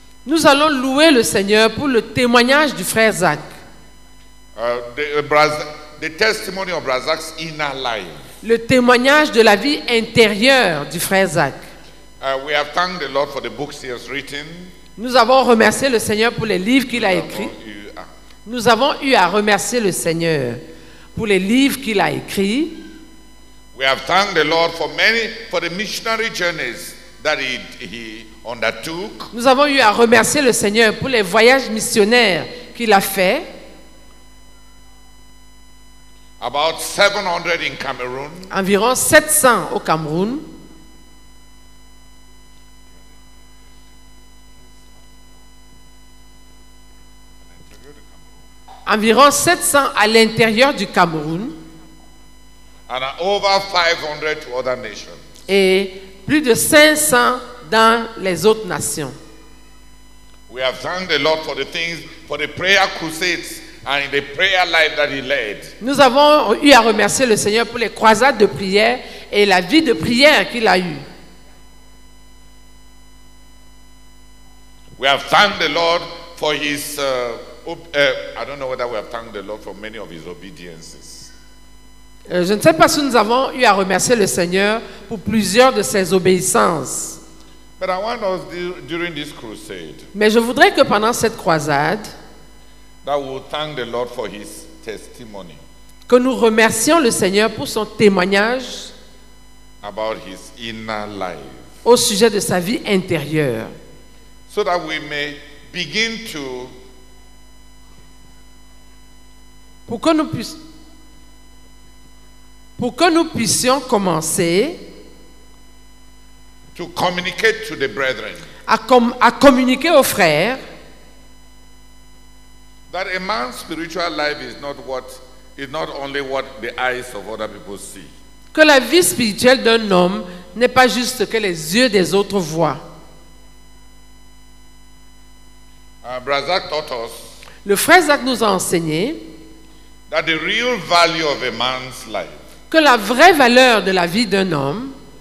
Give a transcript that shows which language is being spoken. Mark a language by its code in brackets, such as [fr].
[fr] Nous allons louer le Seigneur pour le témoignage du frère Zach. [en] The testimony of Brazak's inner life. [fr] Le témoignage de la vie intérieure du frère Zach. [en] We have thanked the Lord for the books he has written. [fr] Nous avons remercié le Seigneur pour les livres qu'il a écrits. Nous avons eu à remercier le Seigneur pour les livres qu'il a écrits. [en] We have thanked the Lord for the missionary journeys that he undertook. [fr] Nous avons eu à remercier le Seigneur pour les voyages missionnaires qu'il a fait. [en] About 700 in Cameroon. [fr] Environ 700 au Cameroun. Environ 700 à l'intérieur du Cameroun. [en] And over 500 to other nations. [fr] Et plus de 500 dans les autres nations. [en] We have thanked the Lord for the things, for the prayer crusades and the prayer life that he led. [fr] Nous avons eu à remercier le Seigneur pour les croisades de prière et la vie de prière qu'il a eue. [en] We have thanked the Lord for his I don't know whether we have thanked the Lord for many of his obediences. [fr] Je ne sais pas si nous avons eu à remercier le Seigneur pour plusieurs de ses obéissances. [en] But I want us during this crusade. [fr] Mais je voudrais que pendant cette croisade, [en] that we will thank the Lord for his testimony. [fr] Que nous remercions le Seigneur pour son témoignage [en] about his inner life. [fr] Au sujet de sa vie intérieure. [en] So that we may begin to [fr] pour que nous puissions commencer [en] to communicate to the brethren, [fr] à communiquer aux frères [en] that a man's spiritual life is not only what the eyes of other people see. [fr] Que la vie spirituelle d'un homme n'est pas juste ce que les yeux des autres voient. [en] Brazak taught us, [fr] le frère Zach nous a enseigné [en] that the real value of a man's life, [fr] que la vraie valeur de la vie d'un homme